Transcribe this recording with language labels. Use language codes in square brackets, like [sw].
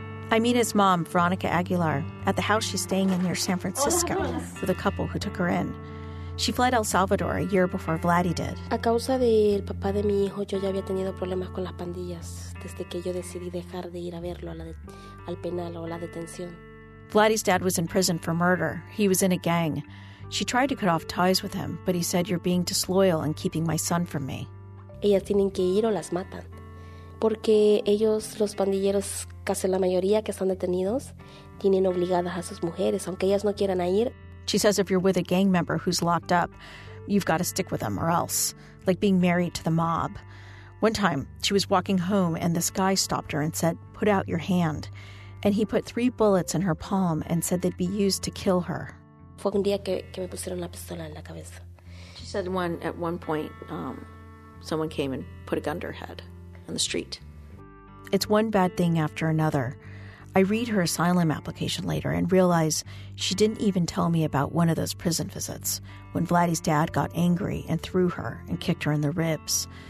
[en] I meet his mom, Veronica Aguilar, at the house she's staying in near San Francisco with a couple who took her in. She fled El Salvador a year before Vladdy did. [es] A causa del papá de mi hijo, yo ya había tenido problemas con las pandillas. desde que yo decidí dejar de ir a verlo a la al penal o a la detención. [en] Vladdy's dad was in prison for murder. He was in a gang. She tried to cut off ties with him, but he said, "You're being disloyal and keeping my son from me." [es] Ellas tienen que ir o las matan. Porque ellos, los pandilleros, casi la mayoría que están detenidos, tienen obligadas a sus mujeres, aunque ellas no quieran ir. [en] She says if you're with a gang member who's locked up, you've got to stick with them or else, like being married to the mob. One time, she was walking home and this guy stopped her and said, "Put out your hand." And he put 3 bullets in her palm and said they'd be used to kill her. [es] Fue un día que me pusieron la pistola en la cabeza. [en] She said at one point, someone came and put a gun to her head on the street. It's one bad thing after another. I read her asylum application later and realize she didn't even tell me about one of those prison visits when Vladdy's dad got angry and threw her and kicked her in the ribs.